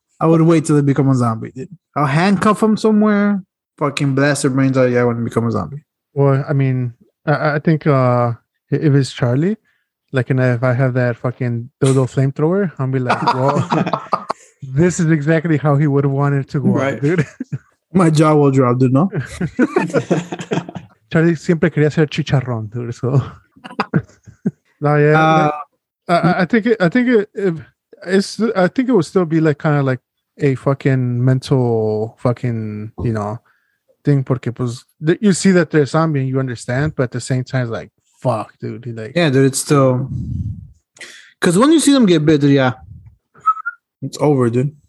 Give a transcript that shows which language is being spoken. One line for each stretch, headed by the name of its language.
English: I would wait till they become a zombie, dude. I'll handcuff them somewhere, fucking blast their brains out. Yeah, I want to become a zombie. Well, I mean, I think if it's Charlie, like, and if I have that fucking dildo flamethrower, I'll be like, well, this is exactly how he would have wanted to go, right, out, dude. My jaw will drop, dude, no?
Spanish: Charlie siempre quería ser chicharrón, dude, so.
English: No, yeah. I think it would still be like kind of like a fucking mental fucking, you know, thing,
Spanish: porque pues
English: you see that they're zombie and you understand, but at the same time it's like, fuck, dude. Like, yeah, dude, it's still, because when you see them get bit, dude, yeah, it's over, dude.